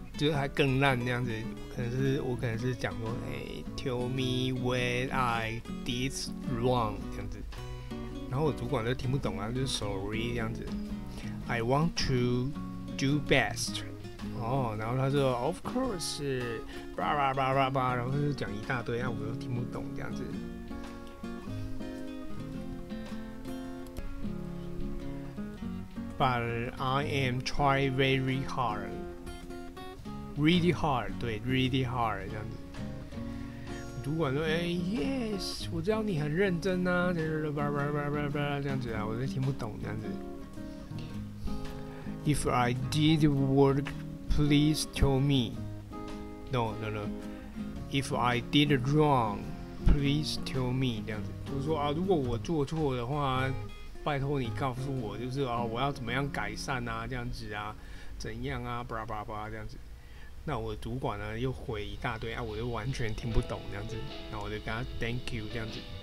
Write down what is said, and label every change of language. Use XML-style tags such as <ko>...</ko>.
<zh>就还更烂那样子，我可能是讲说，</zh> <en>Tell me what I did wrong</en> <zh>这样子，然后我主管就听不懂啊，就是 sorry 这样子 ，</zh> <en>I want to do best，</en> <zh>哦，然后他说</zh> <en>of course，</en> <zh>叭叭叭叭叭，然后就讲一大堆，啊，我都听不懂这样子，</zh> <en>but I am try very hard。 Really hard， 对 ，really hard</en> <zh>这样子。主管说：“yes， 我知道你很认真啊，这样子啊，我都听不懂这样子。</zh> <en>”If I did work， please tell me。 No。 If I did wrong， please tell me。</en> <zh>这样子，就是说啊，如果我做错的话，拜托你告诉我，就是啊，我要怎么样改善啊，这样子啊，怎样啊，这样子。那我的主管呢又回一大堆啊，我就完全听不懂这样子，那我就跟他</zh> <en>thank you</en> <zh>这样子。</zh>